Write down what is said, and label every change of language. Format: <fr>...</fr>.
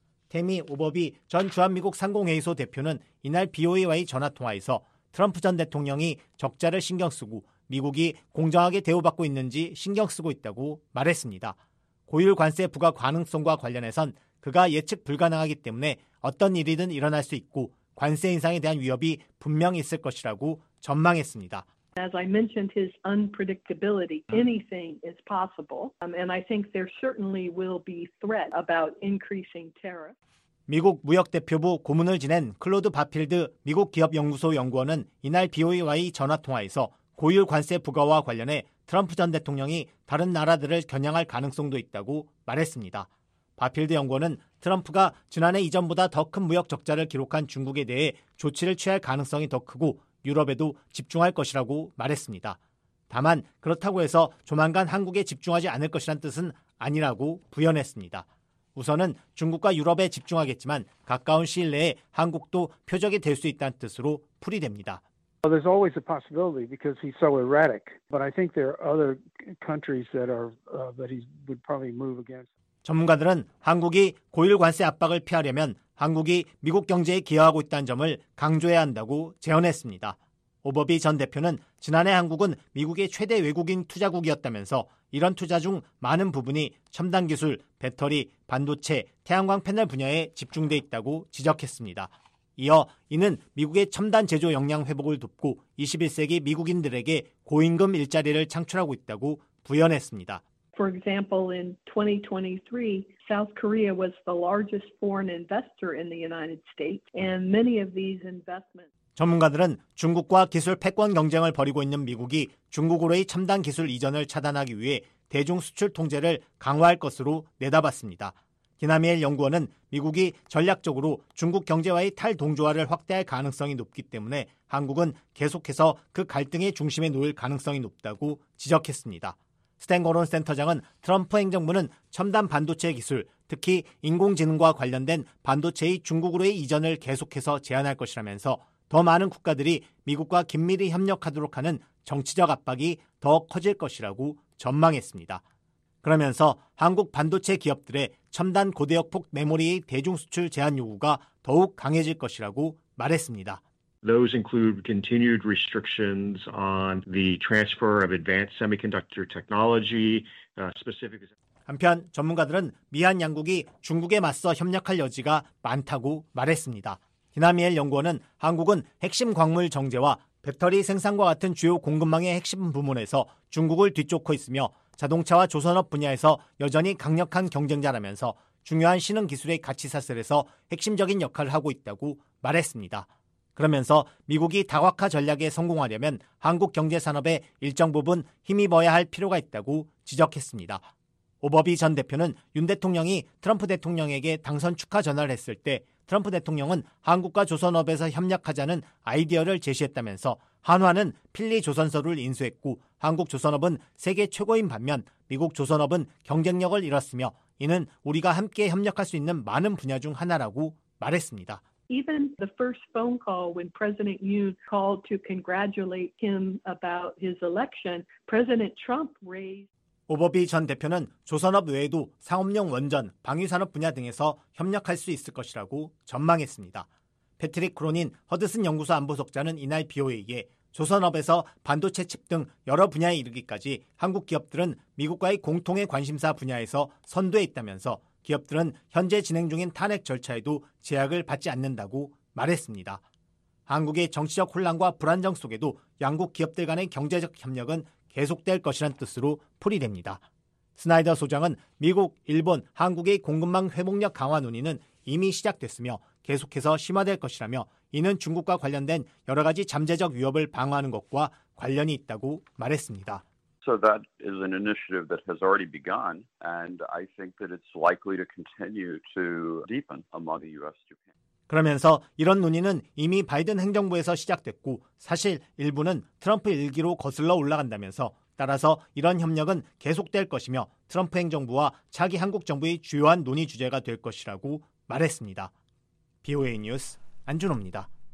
<ko>태미 오버비 전 주한미국 상공회의소 대표는 이날 BOA와의 전화통화에서 트럼프 전 대통령이 적자를 신경 쓰고 미국이 공정하게 대우받고 있는지 신경 쓰고 있다고 말했습니다. 고율 관세 부과 가능성과 관련해선 그가 예측 불가능하기 때문에 어떤 일이든 일어날 수 있고 관세 인상에 대한 위협이 분명 있을 것이라고 전망했습니다.</ko> <en>As I mentioned, his unpredictability, anything is possible, and I think there certainly will be threat about increasing tariffs.</en> <ko>미국 무역대표부 고문을 지낸 클로드 바필드 미국 기업연구소 연구원은 이날 BOA와의 전화통화에서 고율 관세 부과와 관련해 트럼프 전 대통령이 다른 나라들을 겨냥할 가능성도 있다고 말했습니다. 바필드 연구원은 트럼프가 지난해 이전보다 더 큰 무역 적자를 기록한 중국에 대해 조치를 취할 가능성이 더 크고 유럽에도 집중할 것이라고 말했습니다. 다만 그렇다고 해서 조만간 한국에 집중하지 않을 것이란 뜻은 아니라고 부연했습니다. 우선은 중국과 유럽에 집중하겠지만 가까운 시일 내에 한국도 표적이 될 수 있다는 뜻으로 풀이됩니다.</ko> <en>Well, there's always a possibility because he's so erratic, but I think there are other countries that are that he would probably move against.</en> <ko>전문가들은 한국이 고율 관세 압박을 피하려면 한국이 미국 경제에 기여하고 있다는 점을 강조해야 한다고 제언했습니다. 오버비 전 대표는 지난해 한국은 미국의 최대 외국인 투자국이었다면서 이런 투자 중 많은 부분이 첨단 기술, 배터리, 반도체, 태양광 패널 분야에 집중돼 있다고 지적했습니다. 이어 이는 미국의 첨단 제조 역량 회복을 돕고 21세기 미국인들에게 고임금 일자리를 창출하고 있다고 부연했습니다.</ko> <en>For example, in 2023, South Korea was the largest foreign investor in the United States, and many of these investments.</en> <ko>전문가들은 중국과 기술 패권 경쟁을 벌이고 있는 미국이 중국으로의 첨단 기술 이전을 차단하기 위해 대중 수출 통제를 강화할 것으로 내다봤습니다. 디나미엘 연구원은 미국이 전략적으로 중국 경제와의 탈동조화를 확대할 가능성이 높기 때문에 한국은 계속해서 그 갈등의 중심에 놓일 가능성이 높다고 지적했습니다. 스탠 고런 센터장은 트럼프 행정부는 첨단 반도체 기술, 특히 인공지능과 관련된 반도체의 중국으로의 이전을 계속해서 제한할 것이라면서 더 많은 국가들이 미국과 긴밀히 협력하도록 하는 정치적 압박이 더 커질 것이라고 전망했습니다. 그러면서 한국 반도체 기업들의 첨단 고대역폭 메모리의 대중 수출 제한 요구가 더욱 강해질 것이라고 말했습니다.</ko> <en>Those include continued restrictions on the transfer of advanced semiconductor technology, specific.</en> <ko>한편 전문가들은 미한 양국이 중국에 맞서 협력할 여지가 많다고 말했습니다. 디나미엘 연구원은 한국은 핵심 광물 정제와 배터리 생산과 같은 주요 공급망의 핵심 부문에서 중국을 뒤쫓고 있으며 자동차와 조선업 분야에서 여전히 강력한 경쟁자라면서 중요한 신흥 기술의 가치 사슬에서 핵심적인 역할을 하고 있다고 말했습니다. 그러면서 미국이 다각화 전략에 성공하려면 한국 경제 산업에 일정 부분 힘입어야 할 필요가 있다고 지적했습니다. 오버비 전 대표는 윤 대통령이 트럼프 대통령에게 당선 축하 전화를 했을 때 트럼프 대통령은 한국과 조선업에서 협력하자는 아이디어를 제시했다면서 한화는 필리 조선소를 인수했고 한국 조선업은 세계 최고인 반면 미국 조선업은 경쟁력을 잃었으며 이는 우리가 함께 협력할 수 있는 많은 분야 중 하나라고 말했습니다.</ko> <en>Even the first phone call when President Yoon called to congratulate him about his election, President Trump raised</en> <ko>오버비 전 대표는 조선업 외에도 상업용 원전, 방위산업 분야 등에서 협력할 수 있을 것이라고 전망했습니다. 패트릭 크로닌 허드슨 연구소 안보석자는 이날 BOA에 조선업에서 반도체 칩 등 여러 분야에 이르기까지 한국 기업들은 미국과의 공통의 관심사 분야에서 선두에 있다면서 기업들은 현재 진행 중인 탄핵 절차에도 제약을 받지 않는다고 말했습니다. 한국의 정치적 혼란과 불안정 속에도 양국 기업들 간의 경제적 협력은 계속될 것이란 뜻으로 풀이됩니다. 스나이더 소장은 미국, 일본, 한국의 공급망 회복력 강화 논의는 이미 시작됐으며 계속해서 심화될 것이라며 이는 중국과 관련된 여러 가지 잠재적 위협을 방어하는 것과 관련이 있다고 말했습니다.</ko> <en>So that is an initiative that has already begun and I think that it's likely to continue to deepen among the US and Japan.</en> <ko>그러면서 이런 논의는 이미 바이든 행정부에서 시작됐고 사실 일부는 트럼프 일기로 거슬러 올라간다면서 따라서 이런 협력은 계속될 것이며 트럼프 행정부와 차기 한국 정부의 주요한 논의 주제가 될 것이라고 말했습니다. BOA 뉴스 안준호입니다.</ko>